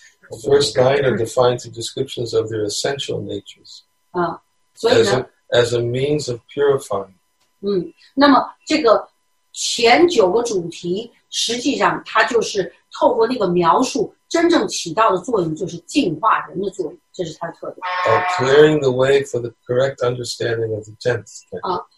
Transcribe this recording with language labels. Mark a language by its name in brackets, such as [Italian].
[English] The first 9 are defined through descriptions of their essential natures. [Chinese] 啊，所以呢 [English] as a means of purifying. [Chinese] 那么这个前九个主题实际上它就是透过那个描述真正起到的作用就是净化人的作用这是它的特点。 [English] Clearing the way for the correct understanding of the tenth topic.